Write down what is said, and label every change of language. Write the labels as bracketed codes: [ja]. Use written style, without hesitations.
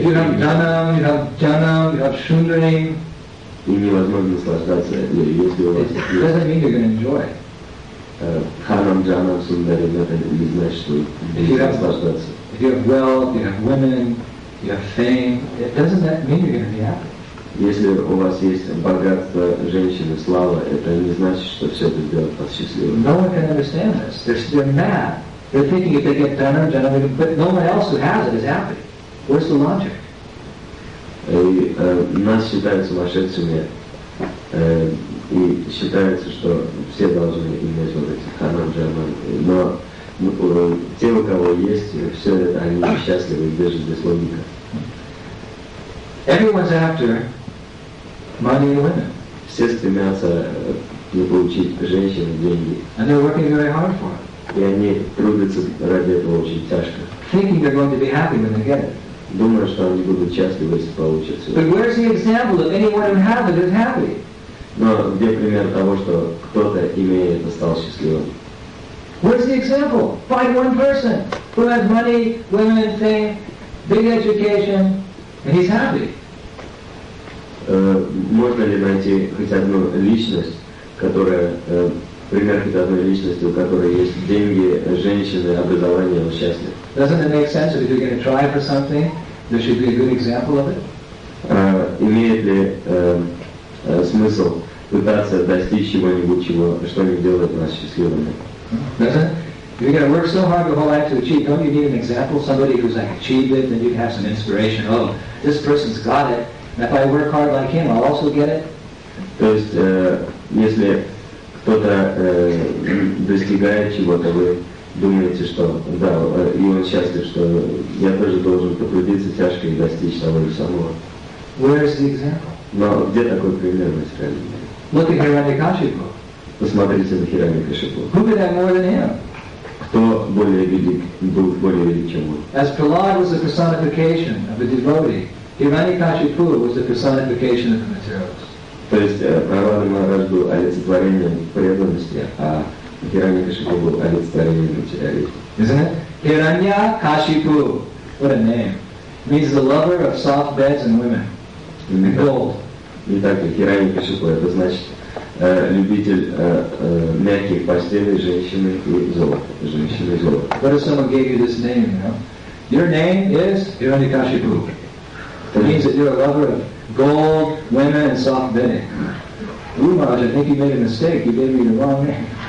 [en] If you have dhanam, you have janam, you have shundanam. [ru] И невозможно наслаждаться, если у вас есть. [en] It doesn't mean you're going to enjoy. [ru] Dhanam, janam, shundanam, это не значит, что будете наслаждаться. [en] If you have wealth, you have women, you have fame, it doesn't that mean you're going to be happy. [ru] Если у вас есть богатство, женщины, слава, это не значит, что все это сделает вас счастливым. [en] No one can understand this. They're mad. They're thinking if they get dhanam, janam, but no one else who has it is happy. Where's the logic? [ru] И нас считают сумасшедшими, и считается, что все должны иметь вот эти dhanam, janam, но те, у кого есть все это, они счастливы, держат без логика. [en] Everyone's after money and women. [ru] Все стремятся получить женщин и деньги. [en] And they're working very hard for it. [ru] И они трудятся ради этого очень тяжко. [en] Thinking they're going to be happy when they get it. [ru] Думаю, что они будут счастливы, если получат все. [en] But where's the example of anyone who has it is happy? [ru] Но где пример того, что кто-то имеет это стал счастливым? [en] Where's the example? Find one person who has money, women, fame, big education, and he's happy. [ru] Можно ли найти хоть одну личность, которая, пример хоть одной личности, у которой есть деньги, женщины, образование, счастье? [en] Doesn't it make sense that if you're going to try for something, there should be a good example of it? [ru] Имеет ли смысл пытаться достичь чего-нибудь, что-нибудь делает нас счастливыми? [en] Doesn't it? You're going to work so hard your whole life to achieve, don't you need an example, somebody who's like achieved it, then you have some inspiration, oh, this person's got it. If I work hard like him, I'll also get it. [ru] То есть, если кто-то достигает чего-то, вы думаете, что да, и он счастлив, что я тоже должен потрудиться тяжко и достичь того или самого. [en] Where is the example? [ru] Но где такой пример, мастерами? [en] Look at Hiranyakashipu. [ru] Посмотрите на Хираньякашипу. [en] Who could have more than him? [ru] Кто более велик, был более велик, чем он? [en] As Prahlad was the personification of a devotee, Hiranyakashipu was the personification of the materialist. [ru] То есть Прохлад Махарадж был олицетворением преданности, а Хираньякашипу был олицетворением материализма. [en] Isn't it? Hiranyakashipu. What a name. Means the lover of soft beds and women. And gold. [ru] Итак, Хираньякашипу, это значит любитель мягких постелей, женщины и золота. Женщины и золота. [en] What if someone gave you this name, you know? Your name is Hiranyakashipu. It means that you're a lover of gold, women, and soft bedding. Ooh, Maharaj, I think you made a mistake. You gave me the wrong name.